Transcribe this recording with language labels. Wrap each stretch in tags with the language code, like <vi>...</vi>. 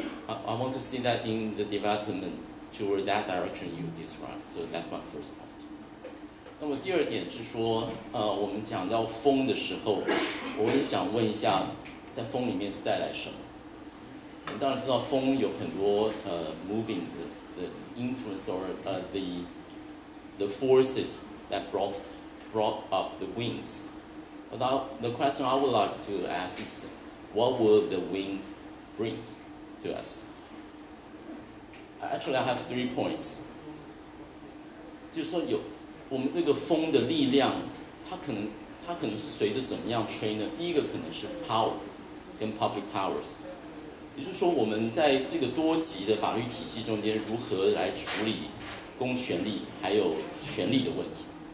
<en>I want to see that in the development toward that direction you describe. So that's my first point.</en> <zh>那么第二点是说，我们讲到风的时候，我也想问一下，在风里面是带来什么？我们当然知道风有很多moving 的。</zh> <en>Influence or the forces that brought up the winds. But the question I would like to ask is, what will the wind bring to us? Actually, I have three points.</en> <zh>就是说有我们这个风的力量，它可能是随着怎么样吹呢？第一个可能是 power 跟 public powers。也就是说我们在这个多级的法律体系中间如何来处理公权力还有权力的问题。</zh>